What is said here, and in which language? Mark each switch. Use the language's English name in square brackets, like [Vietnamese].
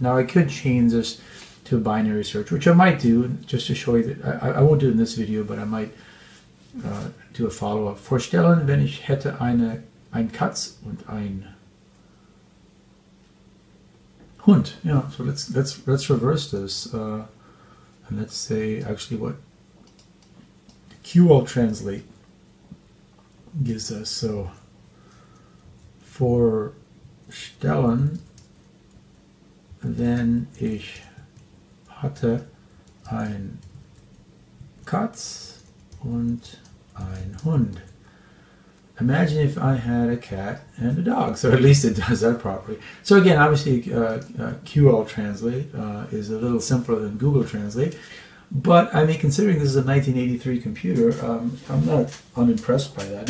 [English] Now I could change this to a binary search, which I might do just to show you that, I won't do it in this video, but I might do a follow-up. [German] Vorstellen, wenn ich hätte ein Katz und ein Hund. [English] Yeah, so let's reverse this. And let's say actually what QL Translate gives us. So for [German] Stellen, wenn ich hatte ein Katz und ein Hund. [English] Imagine if I had a cat and a dog. So at least it does that properly. So again, obviously QL Translate is a little simpler than Google Translate. But I mean, considering this is a 1983 computer, I'm not unimpressed by that.